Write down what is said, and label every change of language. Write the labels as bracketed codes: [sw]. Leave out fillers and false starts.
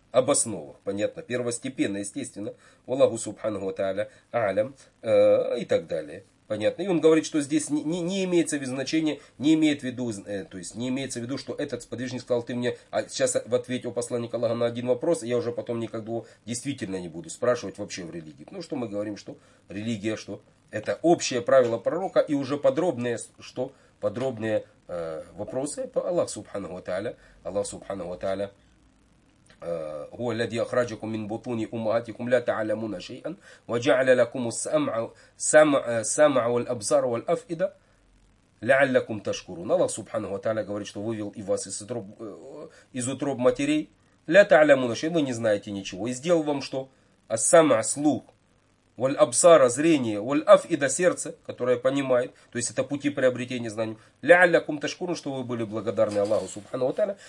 [ru] Об основах, понятно, первостепенно, естественно, Аллаху Субхану ва Тааля, Алям, и так далее, понятно. И он говорит, что здесь не имеется в виду значения, не имеет в виду, то есть не имеется в виду, что этот сподвижник сказал, ты мне, а сейчас в ответе у посланника Аллаха на один вопрос, я уже потом никогда действительно не буду спрашивать вообще в религии. Ну что мы говорим, что религия, что это общее правило пророка и уже подробные, что подробные вопросы, Аллах Субхану ва Тааля, [ar] هو الذي أخرجكم من بطون أمهاتكم لا تعلمون شيئا وجعل لكم السمع والأبصار والأفئدة لعلكم تشكرون. [ru] الله سبحانه وتعالى говорит, что вывел и вас из утроб матерей. [ar] Ля таалямуна шейн, [ru] вы не знаете ничего. И сделал вам что? Ассама, слух. Валь абсара, зрение. Валь афида, сердце, которое понимает. То есть это пути приобретения знаний. [ar] Ля алякум ташкурун, [ru] что вы были благодарны Аллаху Субхану Ва Тааля.